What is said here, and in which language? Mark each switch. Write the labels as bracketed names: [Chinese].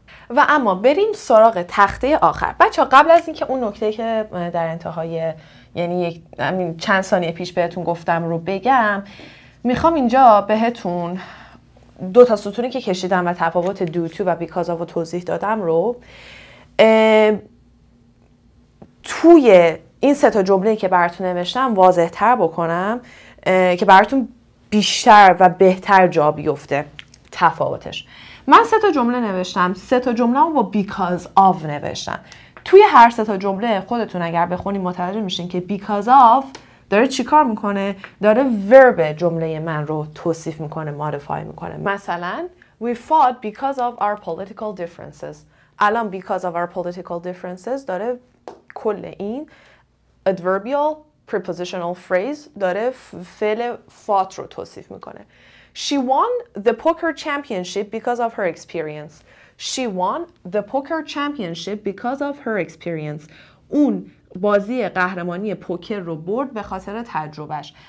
[Persian] و اما بریم سراغ تخته آخر. بچه‌ها قبل از اینکه اون نکته که در انتهای یعنی چند ثانیه پیش بهتون گفتم رو بگم، میخوام اینجا بهتون دو تا ستونی که کشیدم و تفاوت دو تو و بیکاز آف رو توضیح دادم رو توی این سه تا جمله که براتون نوشتم واضح تر بکنم، که براتون بیشتر و بهتر جا بیفته تفاوتش. من سه تا جمله نوشتم، سه تا جمله رو با بیکاز آف نوشتم. توی هر سه تا جمله خودتون اگر بخونید متوجه میشین که because of داره چی کار میکنه؟ داره verb جمله من رو توصیف میکنه، modify میکنه. مثلا [English] we fought because of our political differences. [Persian] الان [English] because of our political differences [Persian] داره کل این adverbial prepositional phrase داره فعل fought رو توصیف میکنه. [English] She won the poker championship because of her experience. She won the poker championship because of her experience. [Persian] اون بازی قهرمانی پوکر رو برد به خاطر تجربهش.